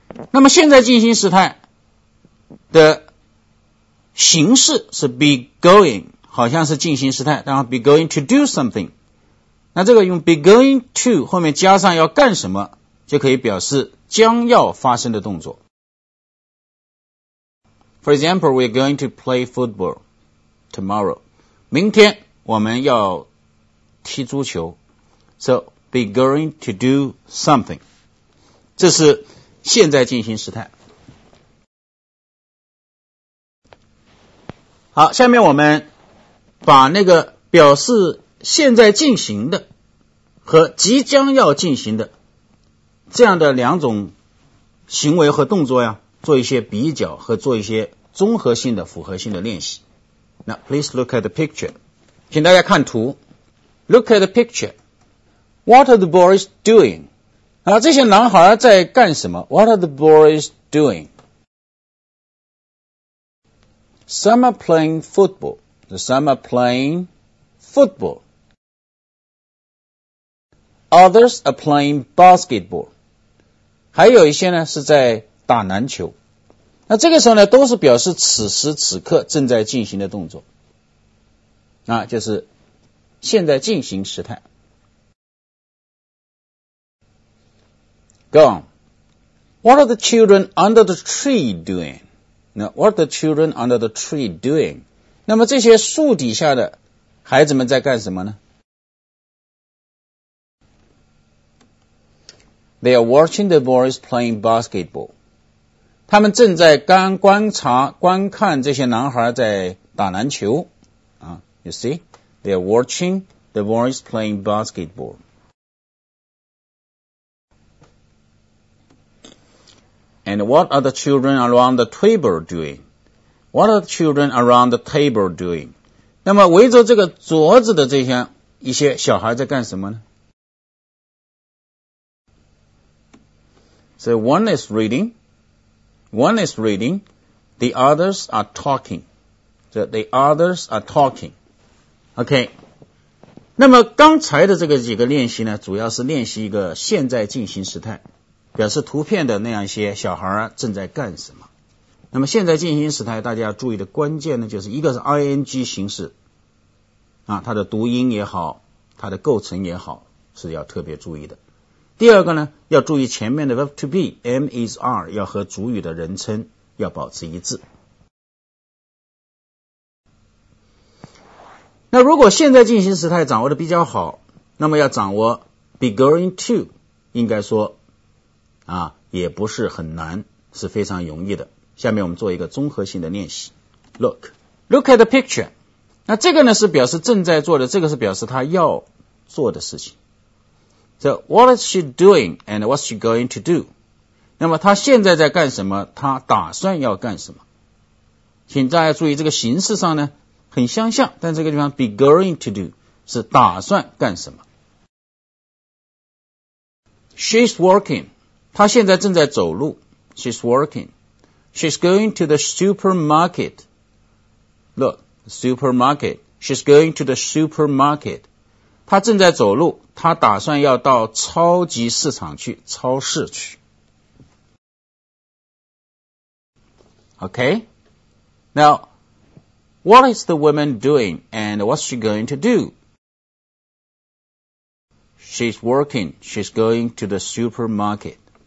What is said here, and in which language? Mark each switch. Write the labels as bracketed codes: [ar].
[zh] 那么现在进行时态的形式是 be going， 好像是进行时态，然后 [en] be going to do something， [zh] 那这个用 be going to 后面加上要干什么，就可以表示将要发生的动作。 [en] For example, we're going to play football tomorrow， [zh] 明天我们要踢足球， [en] So be going to do something， [zh] 这是现在进行时态。好，下面我们把那个表示现在进行的和即将要进行的这样的两种行为和动作呀，做一些比较和做一些综合性的、复合性的练习。那 [en] please look at the picture， [zh] 请大家看图。 [en] Look at the picture. What are the boys doing? [zh] 啊，这些男孩在干什么？ [en] What are the boys doing? Some are playing football. Some are playing football. Others are playing basketball. [zh] 还有一些呢是在打篮球。那这个时候呢，都是表示此时此刻正在进行的动作。啊，就是现在进行时态。 [en] Go on. What are the children under the tree doing? Now, what are the children under the tree doing? [zh] 那么这些树底下的孩子们在干什么呢？ [en] They are watching the boys playing basketball. [zh] 他们正在观看这些男孩在打篮球。 [en] You see? They are watching the boys playing basketball. And what are the children around the table doing? What are the children around the table doing? [zh] 那么围着这个桌子的这些一些小孩在干什么呢？ [en] So one is reading, the others are talking. So the others are talking. OK. [zh] 那么刚才的这个几个练习呢，主要是练习一个现在进行时态，表示图片的那样一些小孩正在干什么。那么现在进行时态大家注意的关键呢，就是一个是 ing 形式啊，它的读音也好，它的构成也好，是要特别注意的。第二个呢，要注意前面的 [en] verb to be am is are [zh] 要和主语的人称要保持一致。那如果现在进行时态掌握的比较好，那么要掌握 [en] be going to [zh] 应该说也不是很难，是非常容易的。下面我们做一个综合性的练习。 [en] Look. Look at the picture. [zh] 那这个呢是表示正在做的，这个是表示他要做的事情。 [en] So, what is she doing and what's she going to do? [zh] 那么他现在在干什么，他打算要干什么。请大家注意这个形式上呢很相像，但这个地方 [en] be going to do [zh] 是打算干什么。 [en] She's working. [zh] 她现在正在走路。 [en] She's working. She's going to the supermarket. Look, supermarket. She's going to the supermarket. [zh] 她正在走路，她打算要到超级市场去，超市去。 [en] Okay. Now, what is the woman doing and what's she going to do? She's working. She's going to the supermarket.